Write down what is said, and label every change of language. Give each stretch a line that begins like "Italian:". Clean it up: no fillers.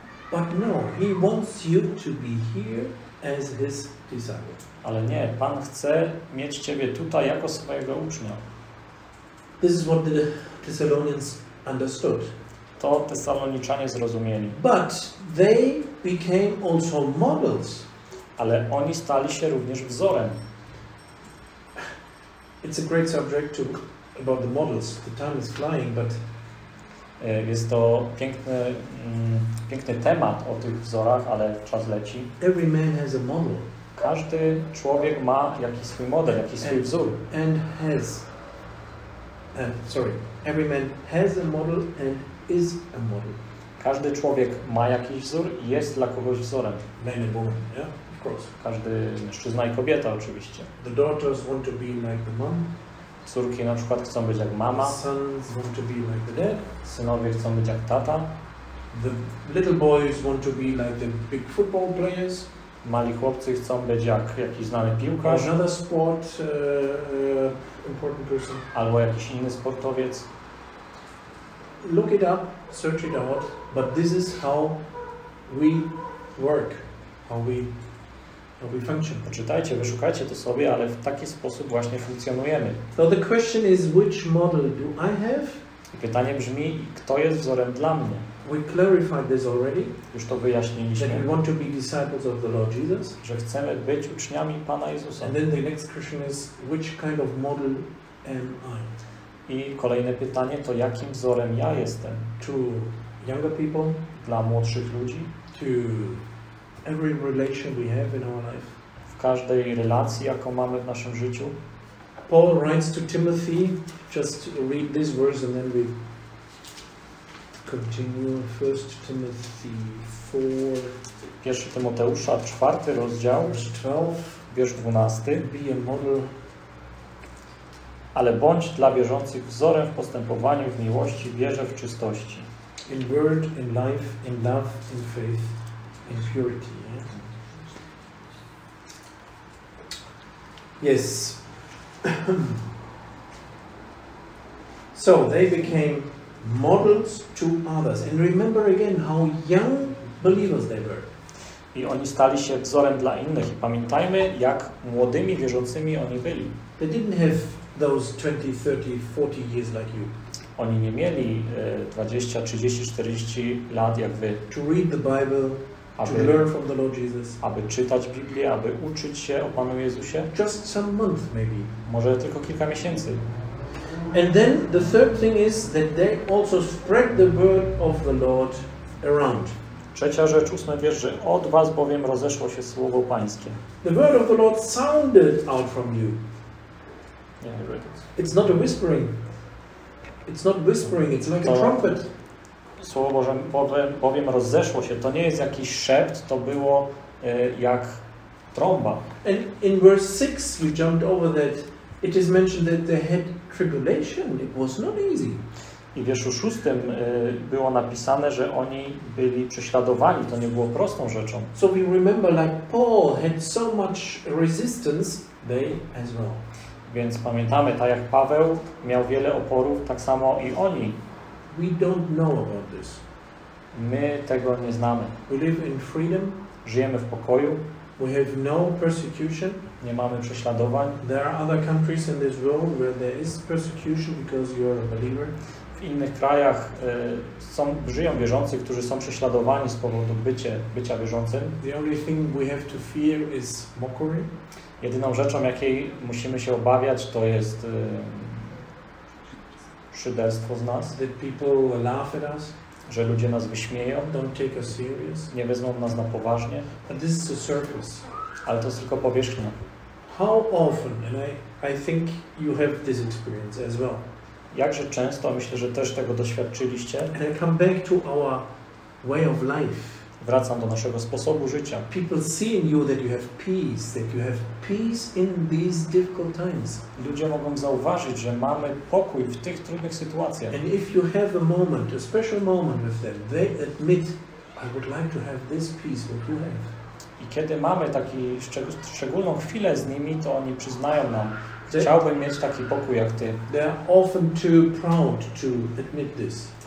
English: But no, He wants you to be here as His disciple.
Polish: Ale nie, Pan chce mieć ciebie tutaj jako swojego ucznia.
English: This is what the Thessalonians understood.
Polish: To Tesaloniczanie zrozumieli.
English: But they became also models.
Polish: Ale oni stali się również wzorem.
English: It's a great subject to about the models. The time is flying, but
Polish: jest to piękny, piękny temat o tych wzorach, ale czas leci.
English: Every man has a model.
Polish: Każdy człowiek ma jakiś swój model, jakiś swój wzór.
English: And has. Every man has a model and is a model.
Polish: Każdy człowiek ma jakiś wzór i jest dla kogoś wzorem.
English: Man and woman, yeah? Of course.
Polish: Każdy mężczyzna i kobieta oczywiście.
English: The daughters want to be like the mom.
Polish: Córki na przykład chcą być jak mama.
English: The sons want to be like the dad.
Polish: Synowie chcą być jak tata.
English: The little boys want to be like the big football players.
Polish: Mali chłopcy chcą być jak jakiś znany piłkarz.
English: Another sport important person.
Polish: Albo jakiś inny sportowiec.
English: Look it up, search it out, but this is how we work, how we function.
Polish: Poczytajcie, wyszukajcie to sobie, ale w taki sposób właśnie funkcjonujemy.
English: So the question is, which model do I have?
Polish: I pytanie brzmi, kto jest wzorem dla mnie?
English: We clarified this already.
Polish: Już to wyjaśniliśmy.
English: That we want to be disciples of the Lord Jesus.
Polish: Że chcemy być uczniami Pana Jezusa.
English: And then the next question is, which kind of model am I?
Polish: I kolejne pytanie to, jakim wzorem ja jestem?
English: To younger people?
Polish: Dla młodszych ludzi?
English: To every relation we have in our life?
Polish: W każdej relacji, jaką mamy w naszym życiu?
English: Paul writes to Timothy, just read these words and then we continue. 1 Timothy 4.
Polish: 1 Tymoteusza, 4 rozdział, wiersz 12.
English: Be a model.
Polish: Ale bądź dla wierzących wzorem w postępowaniu, w miłości, w wierze, w czystości.
English: In word, in life, in love, in faith, in purity. Yeah? Yes. So they became models to others. And remember again how young believers they were.
Polish: I oni stali się wzorem dla innych. Pamiętajmy, jak młodymi wierzącymi oni byli.
English: They didn't have those 20, 30, 40 years like you.
Polish: Oni nie mieli 20, 30, 40 lat jak wy.
English: To read the Bible,
Polish: aby,
English: to learn from the Lord Jesus.
Polish: Aby czytać Biblię, aby uczyć się o Panu Jezusie.
English: Just some month maybe.
Polish: Może tylko kilka miesięcy.
English: And then the third thing is that they also spread the word of the Lord around.
Polish: Trzecia rzecz, ósmy wiersz, że od was bowiem rozeszło się słowo Pańskie.
English: The word of the Lord sounded out from you. Yeah, it. It's not a whispering. It's not whispering, it's like to a trumpet.
Polish: Słowo Boże bowiem rozeszło się. To nie jest jakiś szept, to było jak trąba.
English: And in verse 6 we jumped over that it is mentioned that they had tribulation. It was not easy.
Polish: I w wierszu 6 było napisane, że oni byli prześladowani, to nie było prostą rzeczą.
English: So we remember like Paul had so much resistance, they as well.
Polish: Więc pamiętamy, tak jak Paweł miał wiele oporów, tak samo i oni.
English: We don't know about this.
Polish: My tego nie znamy.
English: We live in freedom.
Polish: Żyjemy w pokoju.
English: We have no persecution.
Polish: Nie mamy prześladowań.
English: There are other countries in this world where there is persecution because you are a believer.
Polish: W innych krajach żyją wierzący, którzy są prześladowani z powodu bycia wierzącym.
English: The only thing we have to fear is mockery.
Polish: Jedyną rzeczą, jakiej musimy się obawiać, to jest szyderstwo z nas.
English: That people laugh at us.
Polish: Że ludzie nas wyśmieją.
English: Don't take us serious.
Polish: Nie wezmą nas na poważnie.
English: But this is a surface.
Polish: Ale to jest tylko powierzchnia.
English: How often, and I think you have this experience as well.
Polish: Jakże często, myślę, że też tego doświadczyliście.
English: And I come back to our way of life.
Polish: Wracam do naszego sposobu życia.
English: People see in you that you have peace, that you have peace in these difficult times.
Polish: Ludzie mogą zauważyć, że mamy pokój w tych trudnych sytuacjach.
English: And if you have a moment, a special moment with them, they admit, I would like to have this peace that you have.
Polish: I kiedy mamy taką szczególną chwilę z nimi, to oni przyznają nam, chciałbym mieć taki pokój jak ty.
English: They are often too proud to admit this.